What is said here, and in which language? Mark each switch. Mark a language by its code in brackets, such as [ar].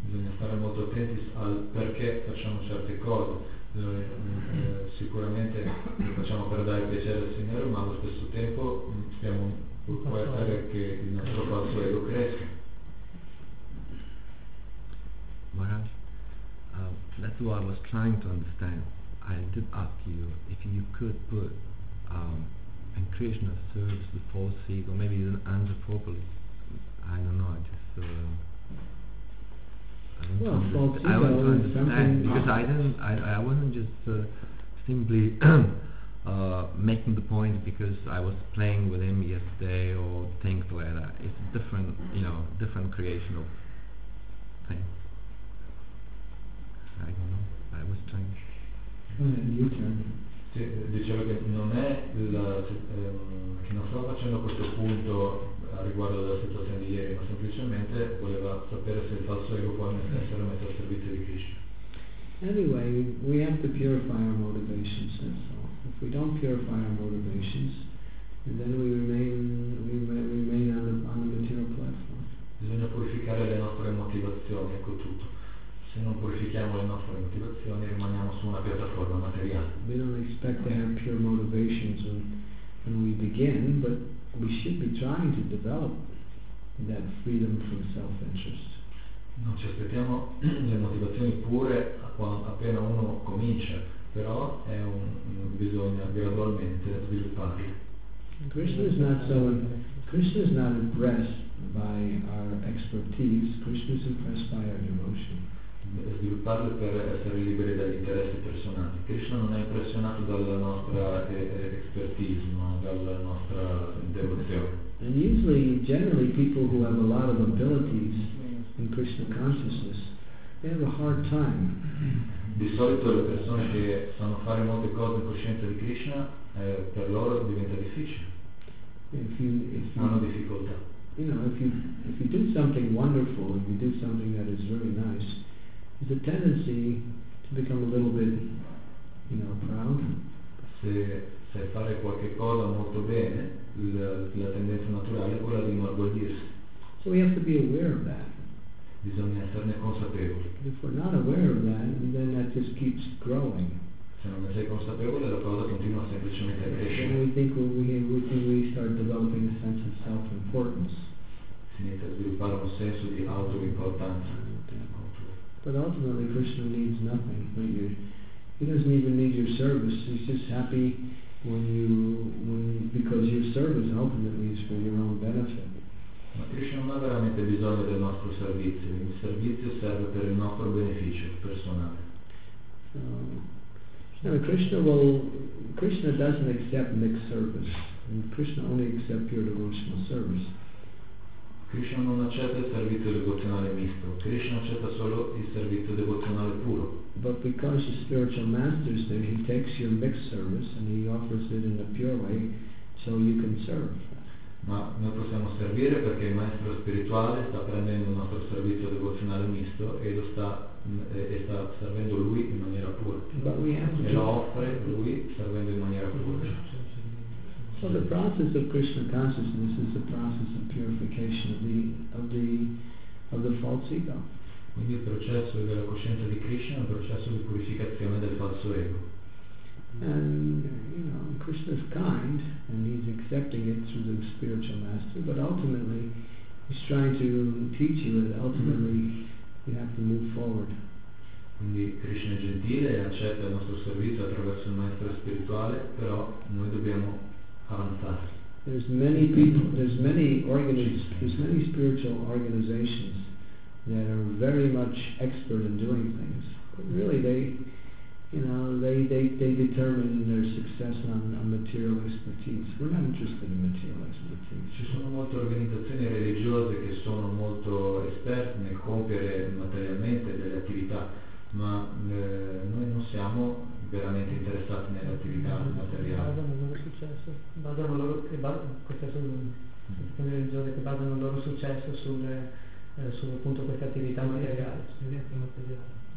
[it] Bisogna stare molto attenti al perché facciamo certe cose. Noi sicuramente lo facciamo per dare piacere al Signore, ma allo stesso tempo stiamo può essere che il nostro falso ego cresca. [en] Maharaj, that's what I was trying to understand. I did ask you if you could put and Krishna serves the false ego, maybe even answer properly. I don't know, I just I wasn't just simply making the point because I was playing with him yesterday or things like that. It's a different, you know, different creation of thing. I don't know. I was trying. [it] Dicevo che non stavo facendo questo punto riguardo alla situazione di ieri, ma semplicemente voleva sapere se il falso ego può essere messo al servizio di Krishna. [en] Anyway, we have to purify our motivations, and so if we don't purify our motivations, then we remain on the material platform. [it] Bisogna purificare le nostre motivazioni, ecco tutto. Se non purifichiamo le nostre motivazioni, rimaniamo su una piattaforma materiale. [en] We don't expect to have pure motivations when we begin, but we should be trying to develop that freedom from self-interest. [it] Non ci aspettiamo le motivazioni pure appena uno comincia, però è bisogna gradualmente svilupparle. [en] Krishna is not impressed by our expertise, Krishna is impressed by our devotion. [it] Svilupparle per essere liberi dagli interessi personali. Krishna non è impressionato dalla nostra expertise, ma dalla nostra devozione. [en] And usually, generally, people who have a lot of abilities in Krishna consciousness, they have a hard time. D- [it] di solito le persone che sanno fare molte cose in coscienza di Krishna, per loro diventa difficile. Hanno difficoltà. [en] You know, if you do something wonderful, if you do something that is very nice, there's a tendency to become a little bit, you know, proud. [it] Se fare qualche cosa molto bene, la tendenza naturale è quella di inorgoglirsi. [en] So we have to be aware of that. [it] Bisogna esserne consapevoli. [en] If we're not aware of that, then that just keeps growing. [it] Se non ne sei consapevole, la cosa continua semplicemente a crescere. [en] We think we start developing a sense of self-importance. [it] Si inizia a sviluppare un senso di autoimportanza. [en] But ultimately, Krishna needs nothing. He doesn't even need your service. He's just happy because your service ultimately is for your own benefit. [it] Ma Krishna non ha veramente bisogno del nostro servizio. Il servizio serve per il nostro beneficio personale. [en] No, Krishna doesn't accept mixed service. And Krishna only accepts pure devotional service. [it] Krishna non accetta il servizio devozionale misto. Krishna accetta solo il servizio devozionale puro. [en] But because the spiritual master is there, he takes your mixed service and he offers it in a pure way so you can serve. [it] Ma noi possiamo servire perché il maestro spirituale sta prendendo il nostro servizio devozionale misto e lo sta e sta servendo lui in maniera pura e lo offre lui servendo in maniera pura. [en] So the process of Krishna consciousness is the process of purification of the false ego. [it] Quindi il processo della coscienza di Krishna è un processo di purificazione del falso ego. [en] And you know, Krishna is kind and he's accepting it through the spiritual master, but ultimately he's trying to teach you that ultimately you have to move forward. [it] Quindi Krishna è gentile e accetta il nostro servizio attraverso il maestro spirituale, però noi dobbiamo avanzare. [en] There's many people, there's many spiritual organizations that are very much expert in doing things, but really they determine their success on material expertise. We're not interested in material expertise. [it] Ci sono molte organizzazioni religiose che sono molto esperte nel compiere materialmente delle attività, ma noi non siamo veramente interessati nelle attività materiali. Basano il loro successo, basano il loro successo su appunto queste attività materiali.